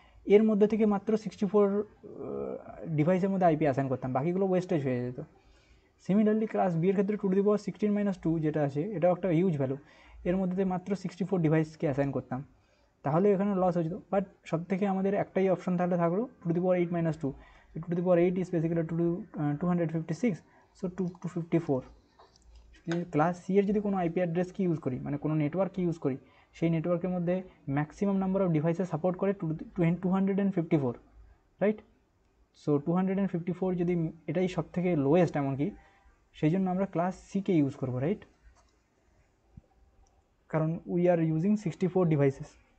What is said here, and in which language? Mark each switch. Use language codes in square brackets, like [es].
[bn] এর মধ্যে থেকে মাত্র 64 ডিভাইসের মধ্যে আইপি অ্যাসাইন করতাম, বাকিগুলো ওয়েস্টেজ হয়ে যেত. সিমিলারলি ক্লাস বি এর ক্ষেত্রে 2 টু দি পাওয়ার 16 মাইনাস 2 যেটা আছে এটাও একটা হিউজ ভ্যালু, এর মধ্যে থেকে মাত্র 64 ডিভাইসকে অ্যাসাইন করতাম তাহলে এখানে লস হয়ে যেত. বাট সবথেকে আমাদের একটাই অপশন তাহলে থাকলো 2 to the power 8 minus 2. [en] 2 to the power 8 is basically 256, so 254. [bn] Class C এর যদি কোনো আইপি অ্যাড্রেস কি ইউজ করি মানে কোনো নেটওয়ার্ক কি ইউজ করি সেই নেটওয়ার্কের মধ্যে ম্যাক্সিমাম নাম্বার অফ ডিভাইসে সাপোর্ট করে 254 রাইট. সো 254 যদি এটাই সব থেকে লোয়েস্ট এমনকি সেই জন্য আমরা ক্লাস সিকে ইউজ করব রাইট, কারণ [en] We are using 64 devices.